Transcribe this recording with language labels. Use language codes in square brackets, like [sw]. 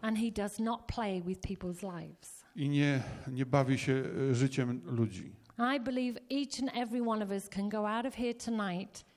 [en] And he does not play with people's lives. [pl] I nie bawi się życiem ludzi. [en] I believe each and every one of us can go out of here tonight.